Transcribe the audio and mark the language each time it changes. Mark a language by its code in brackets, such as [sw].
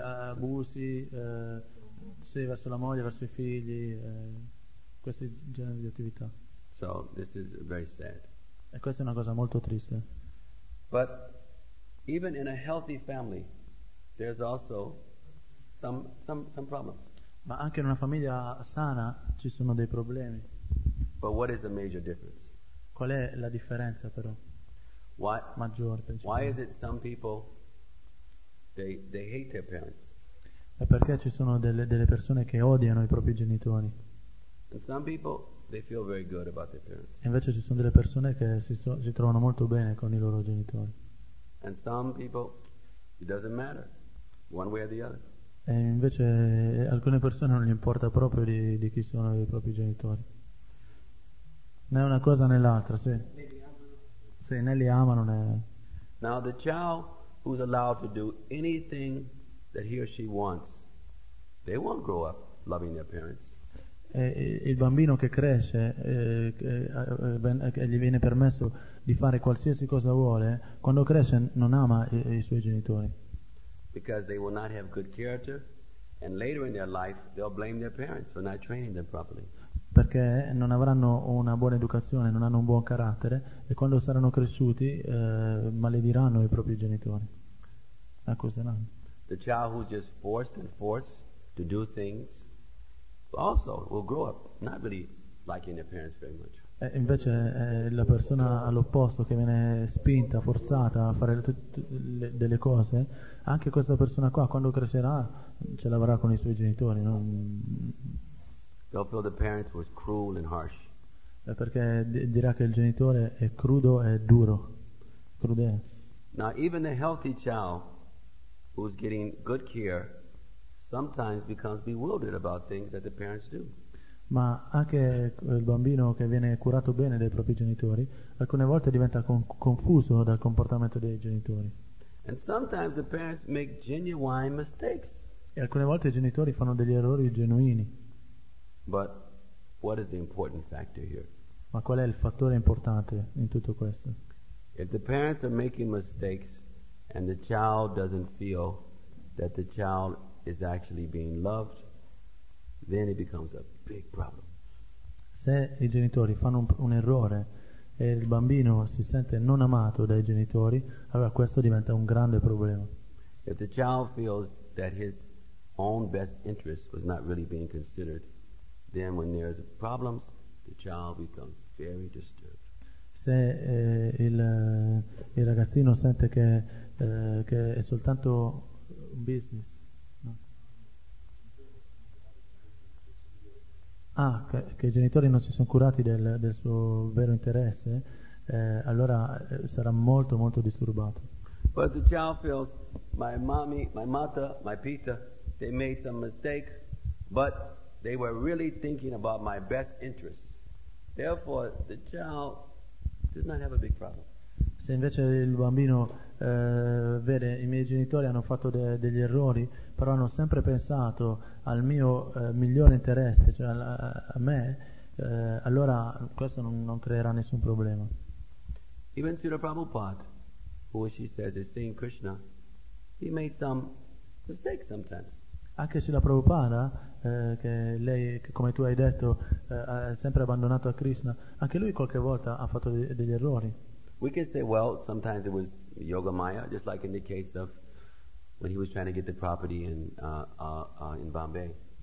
[it] Abusi sì, verso la moglie, verso i figli, questi generi di attività. [en] So this is very sad. [it] E questa è una cosa molto triste. [en] But even in a healthy family, there's also some problems. [it] Ma anche in una famiglia sana ci sono dei problemi. [en] But what is the major difference? [it] Qual è la differenza però? [en] Why, [it] maggiore principale? [en] Why is it some people they hate their parents? [it] E perché ci sono delle persone che odiano i propri genitori? [en] And some people they feel very good about their parents. [it] Invece ci sono delle persone che si trovano molto bene con i loro genitori. [en] And some people it doesn't matter one way or the other. [it] E invece alcune persone non gli importa proprio di chi sono i propri genitori. Né una cosa né l'altra, sì. Sì, né li amano né. [en] Now the child who's allowed to do anything that he or she wants, they won't grow up loving their parents. [it] E il bambino che cresce gli viene permesso di fare qualsiasi cosa vuole, quando cresce non ama i suoi genitori. [en] Because they will not have good character, and later in their life they'll blame their parents for not training them properly. [it] Perché non avranno una buona educazione, non hanno un buon carattere, e quando saranno cresciuti malediranno i propri genitori. Accuseranno. [en] The child who's just forced and forced to do things also will grow up not really liking their parents very much. [it] Invece la persona all'opposto, che viene spinta, forzata a fare delle cose, anche questa persona qua quando crescerà ce l'avrà con i suoi genitori, no? [en] They'll feel the parents were cruel and harsh. [it] Perché dirà che il genitore è crudo e duro, crudele. [en] Now even a healthy child who's getting good care sometimes becomes bewildered about things that the parents do. [it] Ma anche il bambino che viene curato bene dai propri genitori alcune volte diventa confuso dal comportamento dei genitori. [en] And sometimes the parents make genuine mistakes. [it] E alcune volte i genitori fanno degli errori genuini. [en] But what is the important factor here? [it] Ma qual è il fattore importante in tutto questo? [en] If the parents are making mistakes and the child doesn't feel that the child is actually being loved, then it becomes a big problem. [it] Se i genitori fanno un errore e il bambino si sente non amato dai genitori, allora questo diventa un grande problema. [en] If the child feels that his own best interest was not really being considered, then when there are problems, the child becomes very disturbed. [it] Se il ragazzino sente che è soltanto un business. Ah, che i genitori non si sono curati del suo vero interesse, allora sarà molto molto disturbato. [en] But the child feels my mommy, my mother, my Peter, they made some mistake, but they were really thinking about my best interests. Therefore, the child does not have a big problem. [it] Se invece il bambino vede, i miei genitori hanno fatto degli errori, però hanno sempre pensato al mio migliore interesse, cioè a me, allora questo non creerà nessun problema. [en] Even Srila Prabhupada, who she says is seeing Krishna, he made some mistakes sometimes. [it] Anche Srila Prabhupada, che lei, che come tu hai detto, ha sempre abbandonato a Krishna, anche lui qualche volta ha fatto degli errori. [en] We can say, well, sometimes it was yoga maya, just like in the case of when he was trying to get the property in Bombay.